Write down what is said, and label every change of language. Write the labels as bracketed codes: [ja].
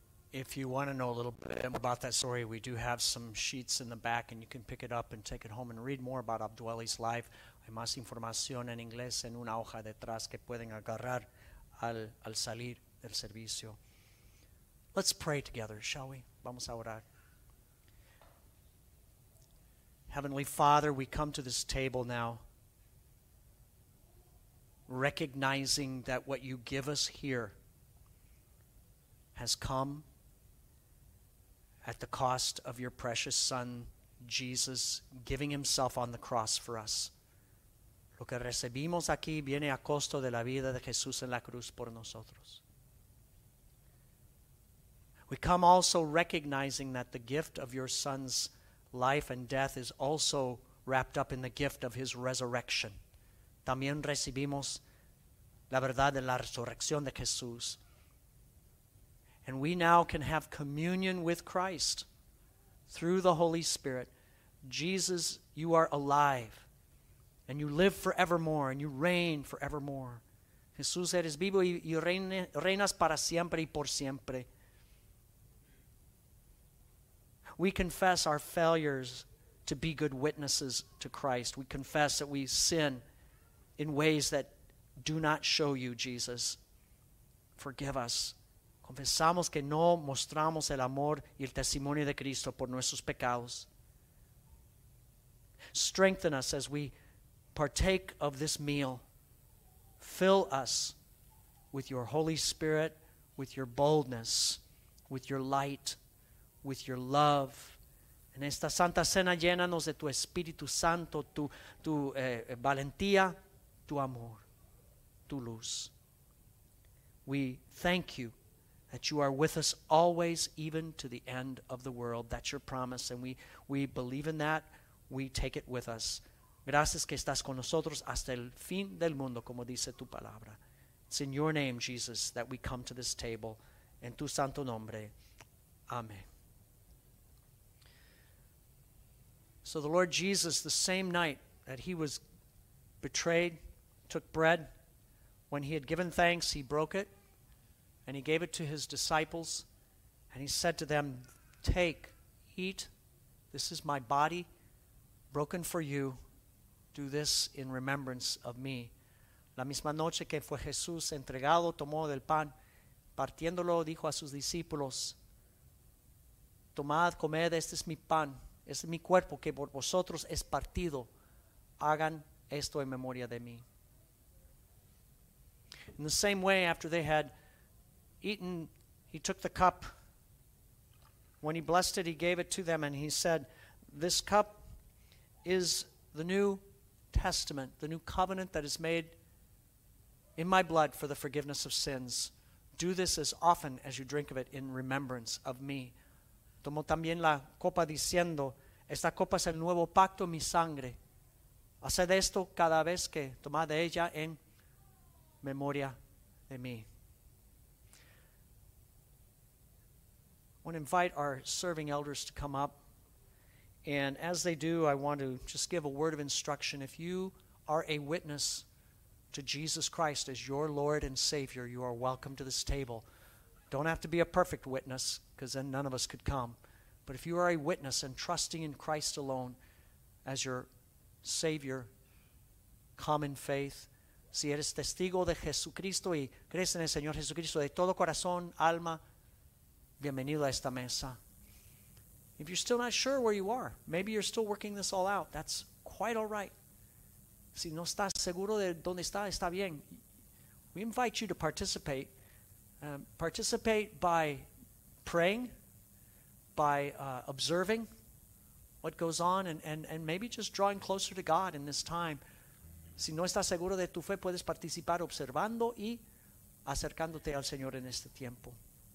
[en] If you want to know a little bit about that story, we do have some sheets in the back, and you can pick it up and take it home and read more about Abdulwali's life. [es] Hay más información en inglés en una hoja detrás que pueden agarrar al salir del servicio. [en] Let's pray together, shall we? [es] Vamos a orar. [en] Heavenly Father, we come to this table now, recognizing that what you give us here has come at the cost of your precious Son, Jesus, giving himself on the cross for us. [es] Lo que recibimos aquí viene a costo de la vida de Jesús en la cruz por nosotros. [en] We come also recognizing that the gift of your Son's life and death is also wrapped up in the gift of his resurrection. También recibimos la verdad de la resurrección de Jesús. And we now can have communion with Christ through the Holy Spirit. Jesus, you are alive, and you live forevermore, and you reign forevermore. [es] Jesús, eres vivo y reinas para siempre y por siempre. [en] We confess our failures to be good witnesses to Christ. We confess that we sin in ways that do not show you, Jesus. Forgive us. [es] Confesamos que no mostramos el amor y el testimonio de Cristo por nuestros pecados. [en] Strengthen us as we partake of this meal. Fill us with your Holy Spirit, with your boldness, with your light, with your love. [es] En esta santa cena llénanos de tu Espíritu Santo, tu valentía, tu amor, tu luz. [en] We thank you that you are with us always, even to the end of the world. That's your promise, and we believe in that. We take it with us. [es] Gracias que estás con nosotros hasta el fin del mundo, como dice tu palabra. [en] It's in your name, Jesus, that we come to this table. [es] En tu santo nombre. [en] Amen. So the Lord Jesus, the same night that he was betrayed, took bread. When he had given thanks, he broke it. And he gave it to his disciples, and he said to them, "Take, eat, this is my body, broken for you. Do this in remembrance of me." [es] La misma noche que fue Jesús entregado, tomó del pan, partiéndolo, dijo a sus discípulos, "Tomad, comed, este es mi pan, este es mi cuerpo, que por vosotros es partido. Hagan esto en memoria de mí." [en] In the same way, after they had eaten, he took the cup. When he blessed it, he gave it to them, and he said, "This cup is the new testament, the new covenant that is made in my blood for the forgiveness of sins. Do this as often as you drink of it in remembrance of me." [es] Tomó también la copa diciendo, "Esta copa es el nuevo pacto, mi sangre. Haced esto cada vez que tomad de ella en memoria de mí." [en] I want to invite our serving elders to come up. And as they do, I want to just give a word of instruction. If you are a witness to Jesus Christ as your Lord and Savior, you are welcome to this table. Don't have to be a perfect witness, because then none of us could come. But if you are a witness and trusting in Christ alone as your Savior, come in faith. [es] Si eres testigo de Jesucristo y crees en el Señor Jesucristo de todo corazón, alma, bienvenido a esta mesa. [en] If you're still not sure where you are, maybe you're still working this all out, that's quite all right. [es] Si no estás seguro de dónde está, está bien. [en] We invite you to participate. Participate by praying, by observing what goes on, and maybe just drawing closer to God in this time. [es] Si no estás seguro de tu fe, puedes participar observando y acercándote al Señor en este tiempo.